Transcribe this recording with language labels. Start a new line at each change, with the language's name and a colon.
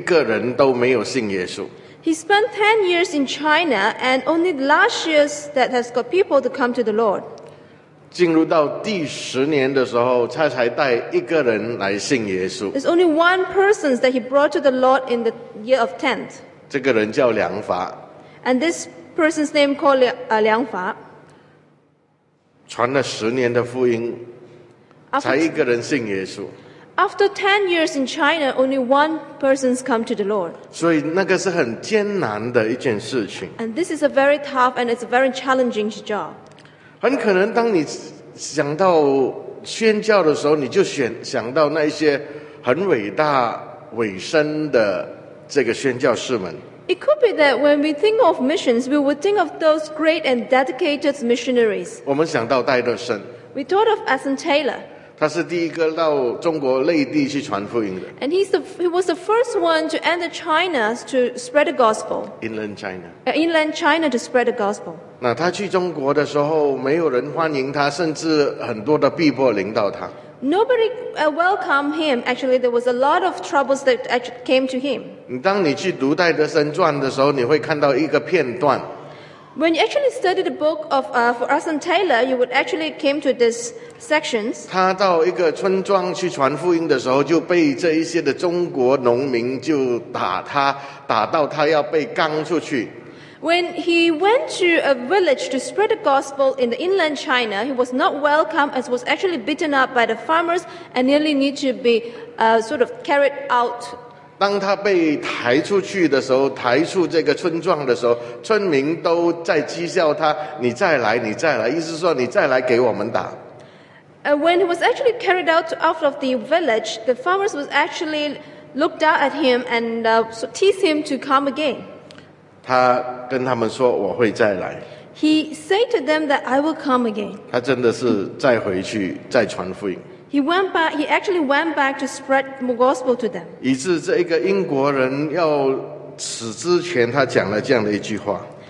Chinese: 他到中国去传福音的时候，他用了十年的时间，在前面的九年，连一个人都没有信耶稣。
English: He spent 10 years in China, and only the last years that has got people to come to the Lord.
Chinese: 进入到第十年的时候，他才带一个人来信耶稣。
English: There's only one person that he brought to the Lord in the year of 10th.
Chinese: 这个人叫梁法。
English: And this person's name called 梁法。
Chinese: 传了十年的福音，才一个人信耶稣。
English: After 10 years in China, only one person's come to the Lord.
Chinese: 所以那个是很艰难的一件事情。
English: And this is a very tough and it's a very challenging job.
Chinese: 很可能当你想到宣教的时候，你就想到那些很伟大、委身的这个宣教士们。
English: It could be that when we think of missions, we would think of those great and dedicated missionaries.
Chinese: 我们想到戴德森。
English: We thought of Asen Taylor.
Chinese: 他是第一个到中国内地去传福音的。
English: And he was the first one to enter China to spread the gospel. Inland China. Inland China to spread the gospel.
Chinese: 那他去中国的时候，没有人欢迎他，甚至很多的逼迫临到他。
English: Nobody welcomed him. Actually, there was a lot of troubles that came to him.
Chinese: 当你去读戴德森传的时候，你会看到一个片段。
English: When you actually study the book of for Arson Taylor, you would actually came to this sections.
Chinese: 他到一个村庄去传福音的时候，就被这一些的中国农民就打他，打到他要被赶出去。
English: When he went to a village to spread the gospel in the inland China, he was not welcome and was actually beaten up by the farmers and nearly need to be sort of carried out.
Chinese: 当他被抬出去的时候，抬出这个村庄的时候，村民都在讥笑他，你再来，你再来，意思说你再来给我们打。
English: When he was actually carried out of the village, the farmers was actually looked out at him and teased him to come again.
Chinese: 他跟他们说我会再来。
English: He said to them that I will come again.
Chinese: 他真的是再回去再传福音。
English: He went back. He actually went back to spread the gospel to them.
Chinese: 以致这一个英国人要死之前，他讲了这样的一句话。